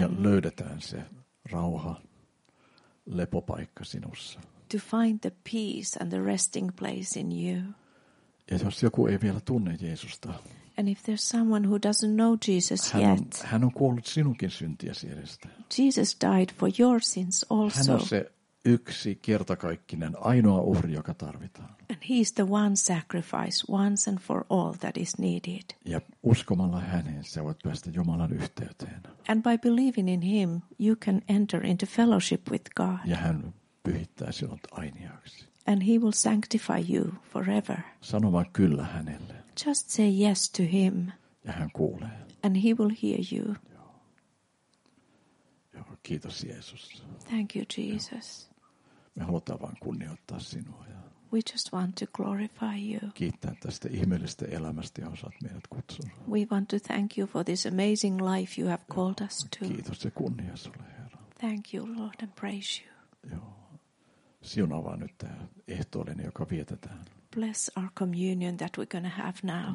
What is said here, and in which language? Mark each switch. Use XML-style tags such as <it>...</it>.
<fi>Ja löydetään se rauha, lepopaikka sinussa.</fi> <en>To find the peace and the resting place in you.</en> <fi>Ja jos joku ei vielä tunne Jeesusta.</fi> <en>And if there's someone who doesn't know Jesus</en> <fi>hän on,</fi> <en>yet.</en> <fi>Hän on kuollut sinunkin syntiäsi edestä.</fi> <en>Jesus died for your sins also.</en> <fi>Hän on se yksi kertakaikkinen ainoa uhri, joka tarvitaan.</fi> <en>And he is the one sacrifice once and for all that is needed.</en> <fi>Ja uskomalla häneen sä voit päästä Jumalan yhteyteen.</fi> <en>And by believing in him you can enter into fellowship with God.</en> <fi>Ja hän pyhittää sinut ainiaksi.</fi> <en>And he will sanctify you forever.</en> <fi>Sano vaan kyllä hänelle.</fi> <en>Just say yes to him.</en> <fi>Ja hän kuulee.</fi> <en>And he will hear you.</en> <fi>Joo. Joo, kiitos Jeesus.</fi> <en>Thank you Jesus.</en> <fi>Me halutaan vaan kunnioittaa sinua. Ja</fi> <en>we just want to glorify you.</en> <fi>Kiittää tästä ihmeellisestä elämästä, johon saat meidät kutsunut.</fi> <en>We want to thank you for this amazing life you have called us to.</en> <fi>Kiitos ja kunnia sulle, Herra.</fi> <en>Thank you Lord and praise you.</en> <fi>Joo. Siunaa vaan nyt tämä ehtoollinen, joka vietetään.</fi> <en>Bless our communion that we're going to have now.</en>